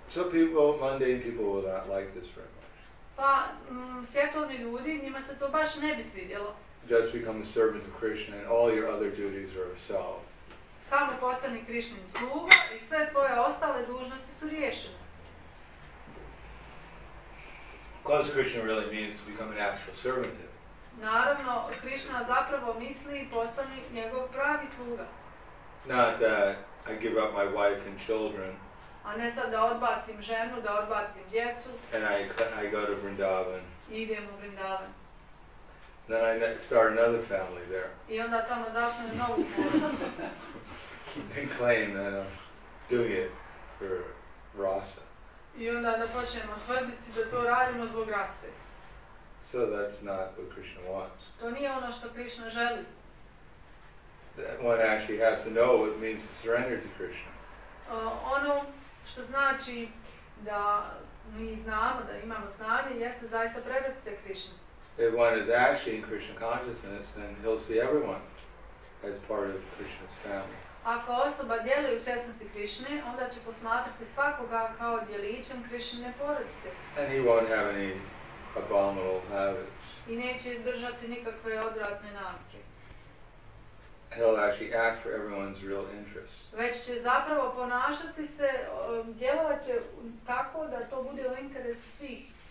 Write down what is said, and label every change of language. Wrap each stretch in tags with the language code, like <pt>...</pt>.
<en>So people, mundane people will not like this very much.</en> <bs>Pa, svjetovni ljudi, njima se to baš ne bi svidjelo.</bs> <en>Just become a servant of Krishna and all your other duties are solved.</en> <bs>Samo postani Krišnin sluga i sve tvoje ostale dužnosti su riješene.</bs> <en>Because Krishna really means to become an actual servant.</en> <bs>Naravno, Krishna zapravo misli postani njegov pravi sluga.</bs> <en>Not that I give up my wife and children.</en> <bs>A ne sad da odbacim ženu, da odbacim djecu.</bs> <en>And I go to Vrindavan.</en> <bs>Idem u Vrindavan.</bs> <en>Then I start another family there.</en> <bs>I onda tamo zasnujem novu porodicu.</bs> <en>And claim that I'm doing it for rasa.</en> <bs>I onda da počnemo tvrditi da to radimo zbog rase.</bs> <en>So that's not what Krishna wants.</en> <bs>To nije ono što Krishna želi.</bs> <en>That one actually has to know what it means to surrender to Krishna.</en> <bs>Ono što znači da mi znamo da imamo snage jeste zaista predati se Krishna.</bs> <en>If one is actually in Krishna consciousness, then he'll see everyone as part of Krishna's family.</en> <bs>Ako osoba djeluje u svjesnosti Krišne, onda će posmatrati svakoga kao djelićem Krišine porodice.</bs> <en>And he won't have any abominable habits.</en> <bs>I neće držati nikakve odvratne navike.</bs> <en>He'll actually act for everyone's real interest.</en> <bs>Već će zapravo ponašati se, djelovat će tako da to bude u interesu svih.</bs>